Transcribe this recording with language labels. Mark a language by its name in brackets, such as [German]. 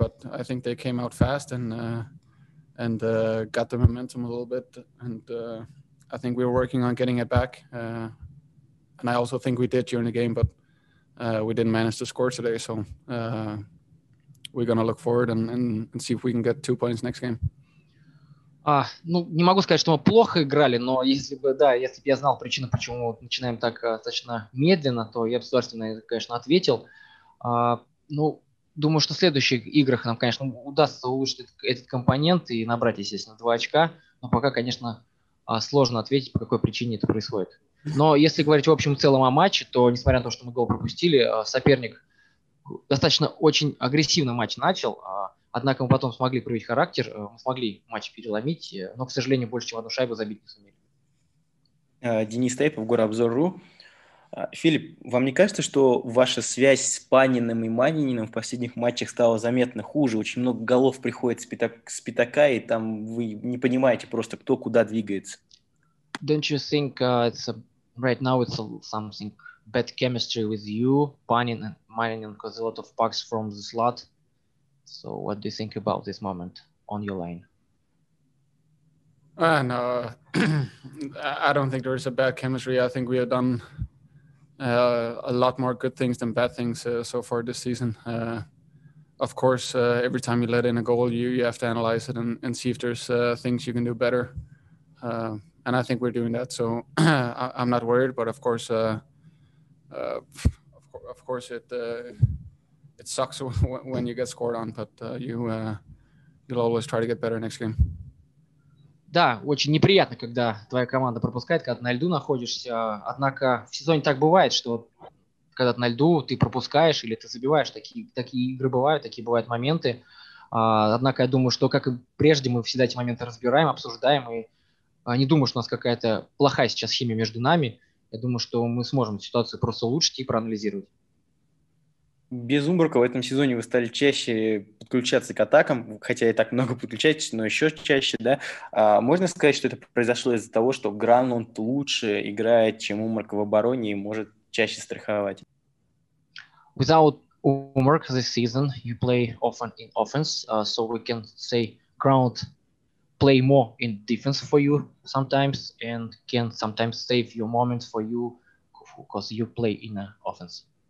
[English] But I think they came out fast and got the momentum a little bit, and I think we were working on getting it back. And I also think we did during the game, but we didn't manage to score today, so we're gonna look forward and see if we can get 2 points next game. [Russian] Ну, не могу сказать, что мы плохо играли, но если бы я знал причину, почему начинаем так достаточно медленно, то я бы, конечно, ответил. Ну, думаю, что в следующих играх нам, конечно, удастся улучшить этот компонент и набрать, естественно, 2 очка. Но пока, конечно, сложно ответить, по какой причине это происходит. Но если говорить в общем целом о матче, то, несмотря на то, что мы гол пропустили, соперник достаточно очень агрессивно матч начал. Однако мы потом смогли проявить характер, мы смогли матч переломить, но, к сожалению, больше, чем одну шайбу забить не сумели. Денис Тейпов, Горобзор.ру. Филипп, вам не кажется, что ваша связь с Панином и Манининым в последних матчах стала заметно хуже? Очень много голов приходит с пятака, и там вы не понимаете просто, кто куда двигается. [English] Don't you think it's a, right now it's a, something bad chemistry with you, Panin and Manining, because a lot of pucks from the slot? So what do you think about this moment on your line? No, I don't think there is a bad chemistry. I think we have done a lot more good things than bad things so far this season. Of course, every time you let in a goal, you have to analyze it and see if there's things you can do better. And I think we're doing that. So I'm not worried, but of course, it sucks when you get scored on, but you'll always try to get better next game. [Russian] Да, очень неприятно, когда твоя команда пропускает, когда ты на льду находишься. Однако в сезоне так бывает, что когда ты на льду, ты пропускаешь или ты забиваешь. Такие игры бывают, такие бывают моменты. Однако я думаю, что, как и прежде, мы всегда эти моменты разбираем, обсуждаем. И не думаю, что у нас какая-то плохая сейчас химия между нами. Я думаю, что мы сможем ситуацию просто улучшить и проанализировать. Без Умбрука в этом сезоне вы стали чаще подключаться к атакам, хотя и так много подключаетесь, но еще чаще, да? Можно сказать, что это произошло из-за того, что Гранлунд лучше играет, чем Умбрук в обороне и может чаще страховать? [English] Without Umbrook this season, you play often in offense, so we can say Gronlund play more in defense for you sometimes and can sometimes save your moments for you because you play in offense.